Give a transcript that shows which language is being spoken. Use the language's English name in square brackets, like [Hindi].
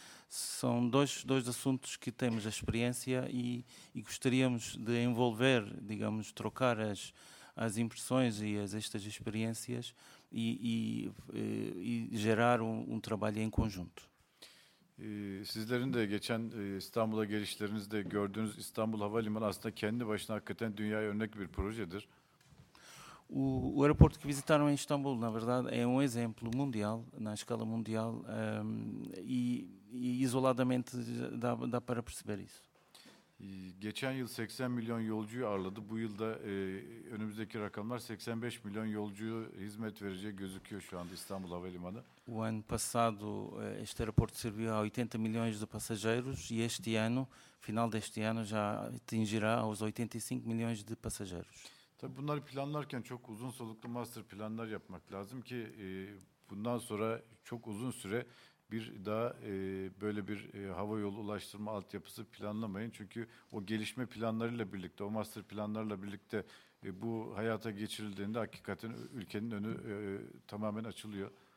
[Portuguese] São dois assuntos que temos a experiência e gostaríamos de envolver, digamos, trocar as impressões e estas experiências e gerar um trabalho em conjunto. [Turkish] Sizlerin de geçen İstanbul'a gelişlerinizde gördüğünüz İstanbul Havalimanı aslında kendi başına hakikaten dünyaya örnek bir projedir. [Portuguese] O aeroporto que visitaram em Istambul, na verdade, é um exemplo mundial, na escala mundial, e isoladamente dá para perceber isso. [Turkish] Geçen yıl 80 milyon yolcuyu ağırladı. Bu yılda önümüzdeki rakamlar 85 milyon yolcuyu hizmet vereceği gözüküyor şu anda İstanbul Havalimanı. [Portuguese] O ano passado este aeroporto serviu a 80 milhões de passageiros e este ano, final deste ano, já atingirá aos 85 milyões de passageiros. [Turkish] Tabii bunları planlarken çok uzun soluklu master planlar yapmak lazım ki bundan sonra çok uzun süre bir daha böyle bir hava yolu ulaştırma altyapısı planlamayın. Çünkü o gelişme planlarıyla birlikte, o master planlarla birlikte bu hayata geçirildiğinde hakikaten ülkenin önü tamamen açılıyor.